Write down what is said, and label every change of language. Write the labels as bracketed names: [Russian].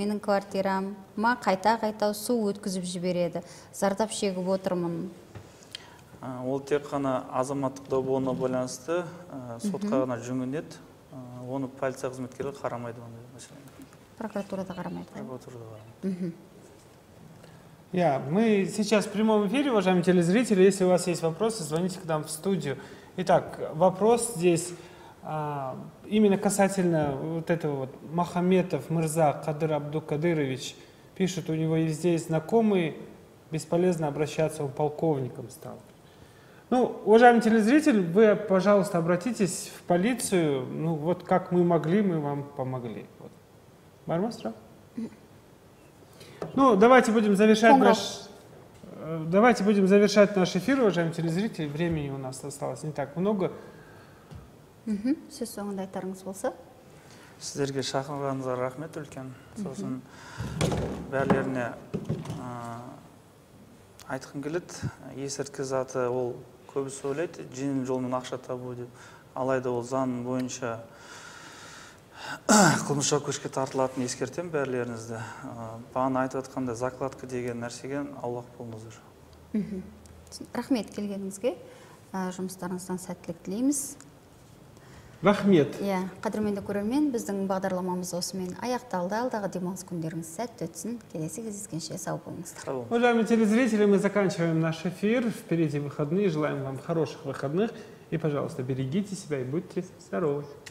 [Kazakh] Менің квартирама қайта-қайта су өткізіп жібереді. Зардап шегіп отырмын. Ол тек қана азаматтық дау болуына байланысты сотқа ғана жүгінеді. Оны полиция қызметкері қарамайды оны. Прокуратурада қарамайды. Прокуратурада қарамайды. [Russian] Мы сейчас в прямом эфире, уважаемые телезрители. Если у вас есть вопросы, звоните к нам в студию. Итак, вопрос здесь именно касательно вот этого вот Махаметов Мырза Кадыр Абдукадырович. Пишет, у него есть здесь знакомый, бесполезно обращаться, он полковником стал. Ну, уважаемый телезритель, вы, пожалуйста, обратитесь в полицию. Ну, вот как мы могли, мы вам помогли. Вот. Бармастра? Ну, давайте будем завершать наш... Давайте будем завершать наш эфир, уважаемый телезритель. Времени у нас осталось не так много. [Kazakh] Сөз соңында айтарыңыз болса. Сіздерге шақырғаныңызға рахмет үлкен. Сосын бәрлеріне айтқым келеді. Есірткі заты ол көбісі ойлайды, жеңіл жолмен ақша табу деп. Алайда ол заң бойынша қылмыс жауап көшке тартылатынын ескертемін бәрлеріңізді. Бағана айтып отқанда закладка деген нәрсеге аулақ болыңыздар. Рахмет келгеніңізге. Жұмыстарыңыздан сәттілік тілейміз. Рахмет. Иә, қадірменді көрермен, біздің бағдарламамыз осымен аяқталды. Алдағы демалыс күндеріңіз сәтті өтсін. Келесі кездескенше сау болыңыздар. [Russian] Уважаемые телезрители, мы заканчиваем наш эфир. Впереди выходные. Желаем вам хороших выходных. И, пожалуйста, берегите себя и будьте здоровы.